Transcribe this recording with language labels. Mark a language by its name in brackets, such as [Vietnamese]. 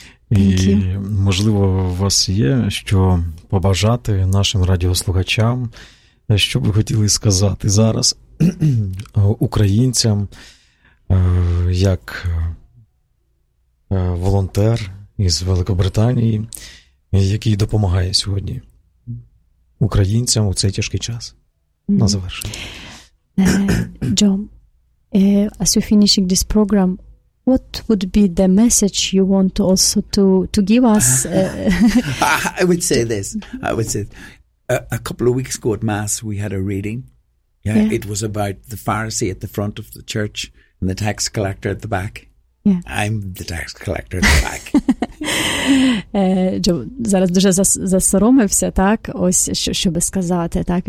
[Ukrainian] І, можливо, у вас є що побажати нашим радіослухачам, що ви хотіли сказати зараз українцям, як волонтер із Великобританії, який допомагає сьогодні українцям у цей тяжкий час. На завершення. [English] Джон, as you're finishing this program, what would be the message you want also to give us? I would say this. I would say a couple of weeks ago at Mass, we had a reading. Yeah. It was about the Pharisee at the front of the church and the tax collector at the back. Yeah. I'm the tax collector at the back. [Ukrainian] Джо зараз дуже засоромився, так? Ось, що би сказати, так?